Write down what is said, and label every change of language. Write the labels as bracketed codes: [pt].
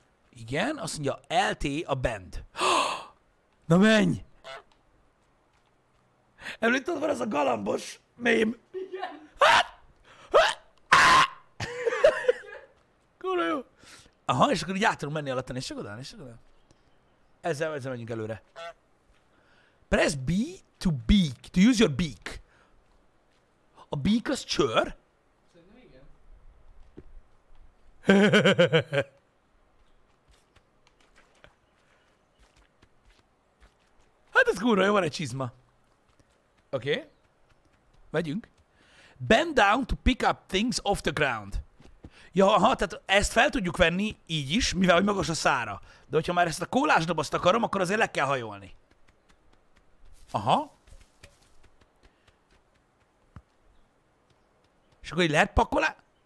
[hu] Igen, azt mondja, LT a band. Na menj! Említod, van ez a galambos mém? Igen. Kurva jó. Aha, és akkor így át tudunk menni alatt, és csak odán, és csak odán. Ezzel menjünk előre. [en] Press B to beak, to use your beak. [hu] A beak az csőr? Szerintem igen. Hát ez kurva jó, van egy csizma. Oké? Okay. Megyünk. [en] Bend down to pick up things off the ground. [hu] Ja, aha, tehát ezt fel tudjuk venni így is, mivel hogy magas a szára. De hogyha már ezt a kólásdobozt akarom, akkor azért le kell hajolni. Aha. És akkor így lehet pakolá...